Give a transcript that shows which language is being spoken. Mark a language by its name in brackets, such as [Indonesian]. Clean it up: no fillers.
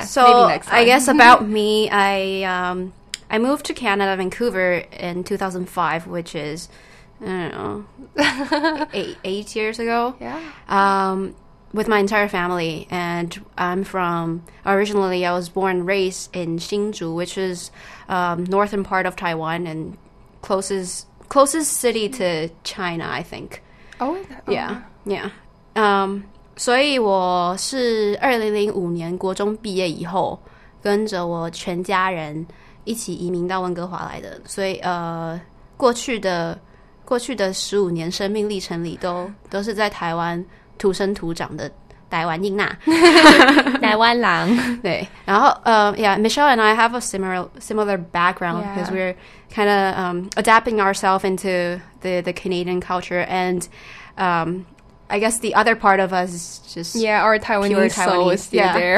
[English] So I guess about me, I moved to Canada, Vancouver in 2005, which is, I don't know, eight years ago. Yeah. With my entire family, and I'm from, originally I was born and raised in Hsinchu, which is northern part of Taiwan and closest city to China, I think. Oh, okay. Yeah. [Chinese] Yeah, 所以我是2005年国中毕业以后，跟着我全家人一起移民到温哥华来的。所以过去的15年生命历程里都是在台湾土生土长的台湾人呐，台湾人。对，然后 [English] Michelle and I have a similar background because、yeah. we're kind of adapting ourselves into the Canadian culture and I guess the other part of us is just... Yeah, our Taiwanese soul is still there.